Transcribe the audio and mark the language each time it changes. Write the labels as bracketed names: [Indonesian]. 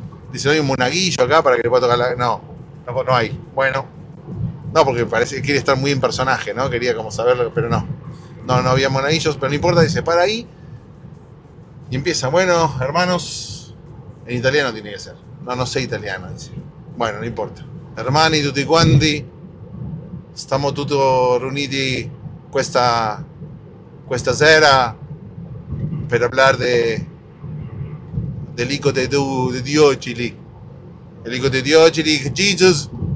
[Spanish] Dice, hay un monaguillo acá para que le pueda tocar la... No hay. Bueno. No, porque parece que quiere estar muy en personaje, ¿no? Quería como saberlo, pero no. No había monaguillos, pero no importa. Dice, para ahí. Y empieza, bueno, hermanos, en italiano tiene que ser. No sé italiano, dice. Bueno, no importa. [Italian] Hermani tutti quanti, stiamo tutti riuniti questa sera per [Spanish] hablar del hijo de [Italian] Diocili. [Spanish] El hijo de Diocili, Jesus.